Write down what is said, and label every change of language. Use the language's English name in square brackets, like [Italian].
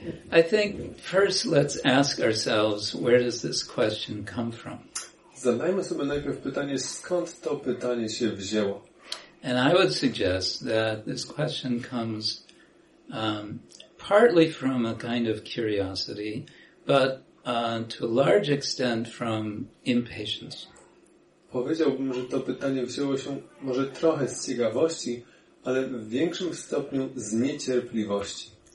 [English] I think first let's ask ourselves, where does this question come from? [Polish] Zadajmy sobie najpierw pytanie, skąd to pytanie się wzięło? [English] And I would suggest that this question comes partly from a kind of curiosity, but to a large extent from impatience. [Polish] Powiedziałbym, że to pytanie wzięło się może trochę z ciekawości, ale w większym stopniu z niecierpliwości.